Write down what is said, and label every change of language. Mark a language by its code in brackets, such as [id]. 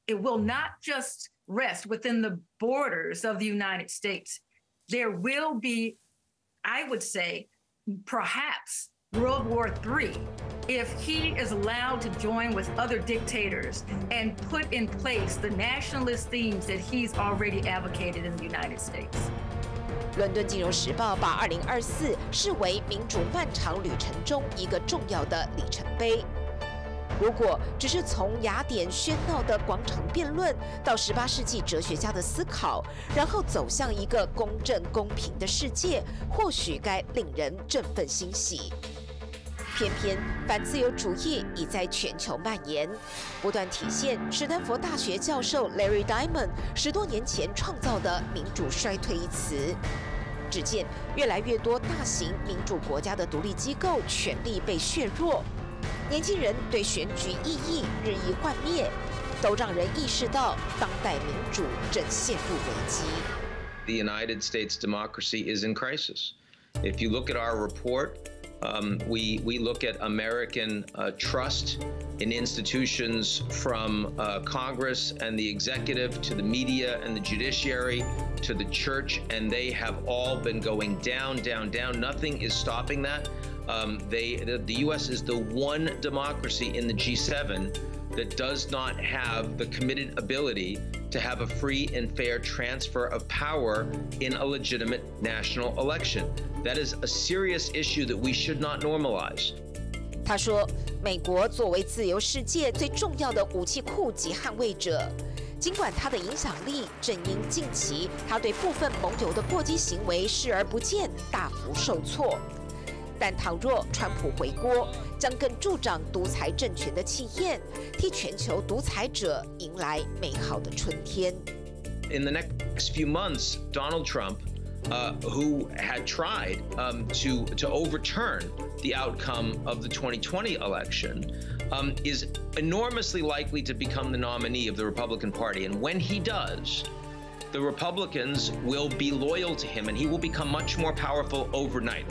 [en] It will not just rest within the borders of the United States. There will be, I would say, perhaps World War III. If he is allowed to join with other dictators and put in place the nationalist themes that he's already advocated in the United States. [zh] 伦敦金融时报把2024视为民主漫长旅程中一个重要的里程碑。如果只是从雅典喧闹的广场辩论到18世纪哲学家的思考，然后走向一个公正公平的世界，或许该令人振奋欣喜。偏偏反自由主义已在全球蔓延，不断体现史丹佛大学教授 Larry Diamond 十多年前创造的民主衰退一词。只见越来越多大型民主国家的独立机构权力被削弱，年轻人对选举意义日益幻灭，都让人意识到当代民主正陷入危机。 [en] The United States democracy is in crisis. If you look at our report,we look at American trust in institutions from Congress and the executive to the media and the judiciary to the church, and they have all been going down, down, down. Nothing is stopping that. The U.S. is the one democracy in the G7 that does not have the committed ability to have a free and fair transfer of power in a legitimate national election. That is a serious issue that we should not normalize. [zh] 他说，美国作为自由世界最重要的武器库及捍卫者，尽管他的影响力正因近期他对部分盟友的过激行为视而不见大幅受挫，但倘若川普回锅，将更助长独裁政权的气焰，替全球独裁者迎来美好的春天。 [en] In the next few months, Donald Trump, who had tried to overturn the outcome of the 2020 election, is enormously likely to become the nominee of the Republican Party. And when he does, the Republicans will be loyal to him, and he will become much more powerful overnight.